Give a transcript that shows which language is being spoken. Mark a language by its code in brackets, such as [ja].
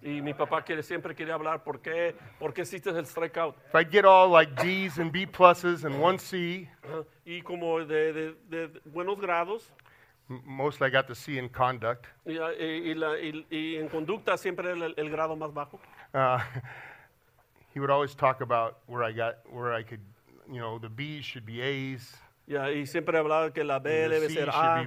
[es] Y mi papá siempre quiere hablar por qué hiciste el strikeout. [en] If I'd get all like D's and B pluses and one C, [es] y como de buenos grados, [en] mostly I got the C in conduct. [es] Y en conducta siempre el grado más bajo. [en] He would always talk about where I could, you know, the B's should be A's. [es] Yeah, y siempre hablaba que la B debe ser A,